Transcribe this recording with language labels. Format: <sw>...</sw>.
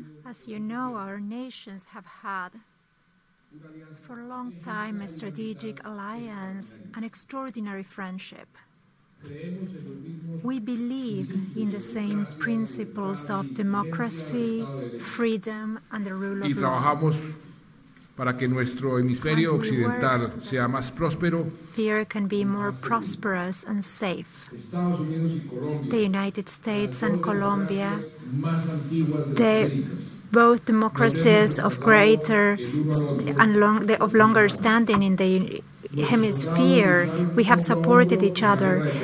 <en>As you know, our nations have had for a long time a strategic alliance, an extraordinary friendship. We believe in the same principles of democracy, freedom, and the rule of law.</en> <es>Y trabajamos para que nuestro hemisferio occidental sea más próspero.</es> <en>Here can be more prosperous and safe. The United States and Colombia, the both democracies of greater and longer standing in the hemisphere, we have supported each other.</en>